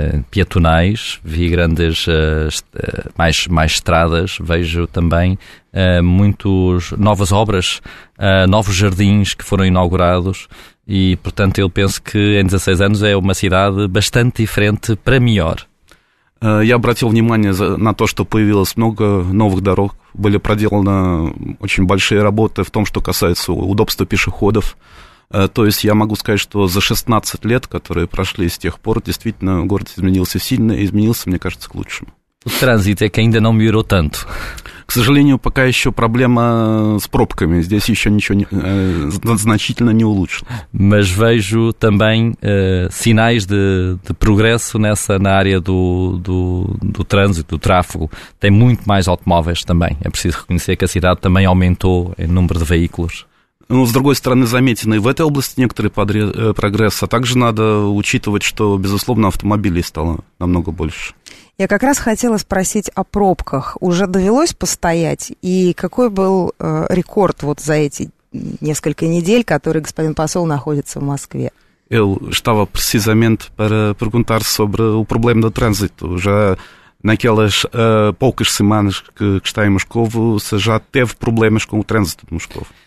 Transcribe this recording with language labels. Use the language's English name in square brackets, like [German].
[Portuguese] Pietonais, vi grandes mais estradas, vejo também muitas novas obras, novos jardins que foram inaugurados e, portanto, eu penso que em 16 anos é uma cidade bastante diferente para melhor. [Russian] Я обратил внимание на то, что появилось много новых дорог, были проделаны очень большие работы в том, что касается удобства пешеходов. То есть я могу сказать, что за 16 лет, которые прошли с тех пор, действительно город изменился сильно, изменился, мне кажется, к лучшему. [Portuguese] Транзит, que ainda não melhorou tanto. [Russian] К сожалению, пока еще проблема с пробками. Здесь еще ничего значительно не улучшилось. [Portuguese] Mas vejo também sinais de progresso nessa, na área do trânsito, do tráfego. Tem muito mais automóveis também. É preciso reconhecer que a cidade também aumentou em número de veículos. [Russian] Ну, с другой стороны, заметены в этой области некоторые прогресс, а также надо учитывать, что, безусловно, автомобилей стало намного больше. Я как раз хотела спросить о пробках. Уже довелось постоять? И какой был рекорд вот за эти несколько недель, которые господин посол находится в Москве? [Portuguese] Eu estava precisamente para perguntar sobre o problema do trânsito. Já naquelas poucas semanas que está em Moscovo, você já teve problemas com o trânsito de Moscovo?